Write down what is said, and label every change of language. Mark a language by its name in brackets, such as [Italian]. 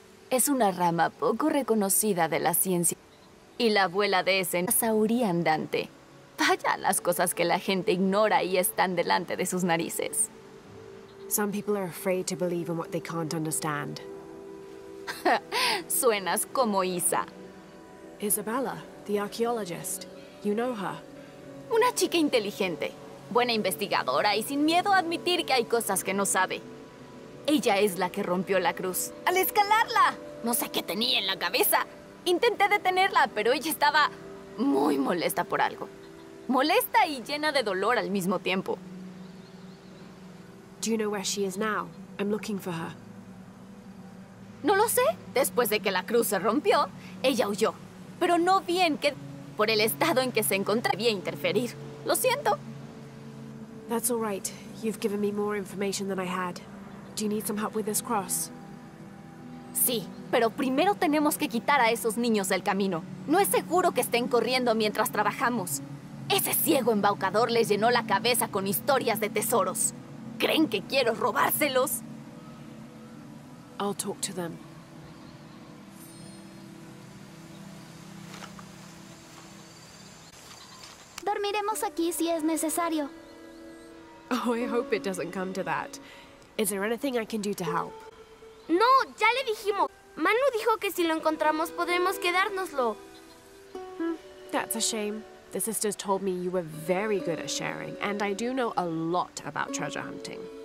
[Spanish] Es una rama poco reconocida de la ciencia. Y la abuela de ese sauría andante. Vaya a las cosas que la gente ignora y están delante de sus narices. [English] Some people are afraid to believe in what they can't understand. [Spanish] Suenas como Isa. [English] Isabella, the archaeologist. You know her. [Spanish] Una chica inteligente, buena investigadora y sin miedo a admitir que hay cosas que no sabe. Ella es la que rompió la cruz. ¡Al escalarla! No sé qué tenía en la cabeza. Intenté detenerla, pero ella estaba muy molesta por algo. Molesta y llena de dolor al mismo tiempo. [English] Do you know where she is now? I'm looking for her. [Spanish] No lo sé. Después de que la cruz se rompió, ella huyó. Pero no vi en qué... Por el estado en que se encontraba, debía interferir. Lo siento. [English] That's all right. You've given me more information than I had. Do you need some help with this cross? [Spanish] Sí, pero primero tenemos que quitar a esos niños del camino. No es seguro que estén corriendo mientras trabajamos. Ese ciego embaucador les llenó la cabeza con historias de tesoros. ¿Creen que quiero robárselos? [English] I'll talk to them. [Spanish] Dormiremos aquí si es necesario. [English] Oh, I hope it doesn't come to that. Is there anything I can do to help? [Spanish] No, ya le dijimos. Manu dijo que si lo encontramos podremos quedárnoslo. [English] That's a shame. The sisters told me you were very good at sharing, and I do know a lot about treasure hunting.